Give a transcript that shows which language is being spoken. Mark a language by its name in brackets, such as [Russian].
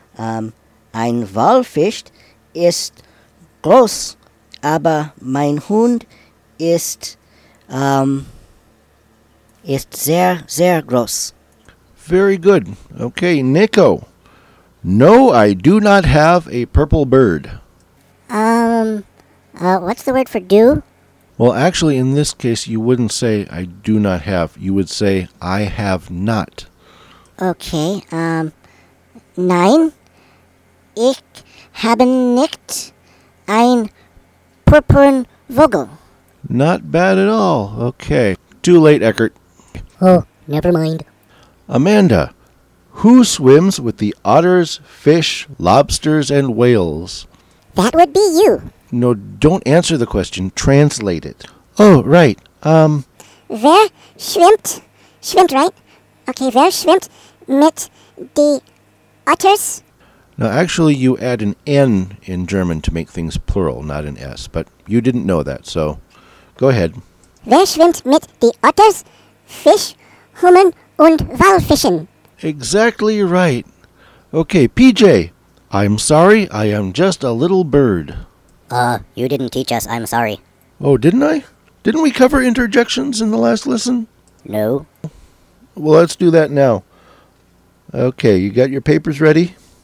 [German] Ein Walfisch ist groß, aber mein Hund ist sehr, sehr groß. [English] Very good. Okay, Nico. No, I do not have a purple bird. What's the word for do? Well, actually, in this case, you wouldn't say I do not have. You would say I have not. [German] Okay, nein, ich habe nicht ein purpurn Vogel. [English] Not bad at all. Okay, too late, Eckert. Oh, never mind. Amanda, who swims with the otters, fish, lobsters, and whales? That would be you. No, don't answer the question. Translate it. Oh, right. [German] Wer schwimmt? Schwimmt, [English] right? [German] Okay, wer schwimmt mit die [English] otters? No, actually, you add an N in German to make things plural, not an S. But you didn't know that, so go ahead. [German] Wer schwimmt mit die [English] otters, fish, human, [German] und Walfischen? [English] Exactly right. Okay, PJ, I'm sorry, I am just a little bird. You didn't teach us, I'm sorry. Oh, didn't I? Didn't we cover interjections in the last lesson? No. Well, let's do that now. Okay, you got your papers ready?